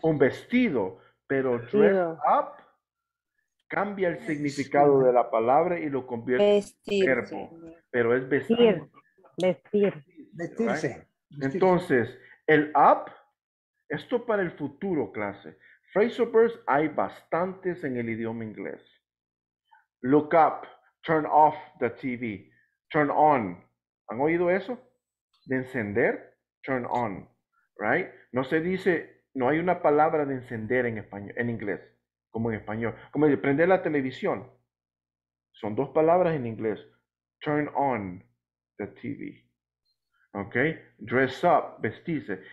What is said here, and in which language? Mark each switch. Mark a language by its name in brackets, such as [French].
[Spanish] Un vestido, pero dress up cambia el significado de la palabra y lo convierte vestir, en verbo. Pero es vestir. Vestirse. Entonces, el up, esto para el futuro, clase. Phrasal verbs hay bastantes en el idioma inglés. [English] Look up, turn off the TV, turn on. [Spanish] ¿Han oído eso? De encender, [English] turn on, right? [Spanish] No se dice, no hay una palabra de encender en español, en inglés, como en español. Como de prender la televisión. Son dos palabras en inglés. [English] Turn on the TV. Ok, dress up, [Spanish] vestirse.